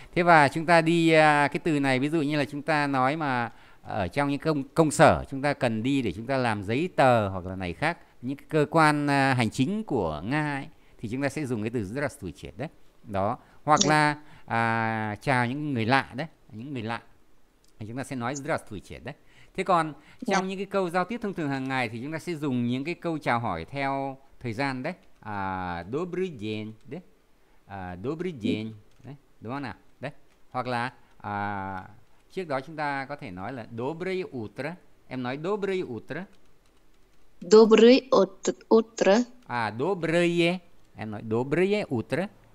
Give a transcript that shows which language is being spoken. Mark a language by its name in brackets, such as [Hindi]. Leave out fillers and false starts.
[Vietnamese] Thế và chúng ta đi cái từ này ví dụ như là chúng ta nói mà ở trong những công sở chúng ta cần đi để chúng ta làm giấy tờ hoặc là này khác những cái cơ quan hành chính của Nga ấy, thì chúng ta sẽ dùng cái từ [Russian] здравствуйте [Vietnamese] đấy. Đó, hoặc là chào những người lạ đấy, những người lạ thì chúng ta sẽ nói [Russian] здравствуйте [Vietnamese] đấy. Thế còn trong những cái câu giao tiếp thông thường hàng ngày thì chúng ta sẽ dùng những cái câu chào hỏi theo thời gian đấy. [Russian] Добрый день, đấy. Добрый день, đấy. [Vietnamese] Đúng không nào? Đấy. Hoặc là trước đó chúng ta có thể nói là [Russian] Добрый утро. [Vietnamese] Em nói [Russian] Добрый утро. Добрый утро. Добрые. [Vietnamese] Em nói [Russian] Добрые утро.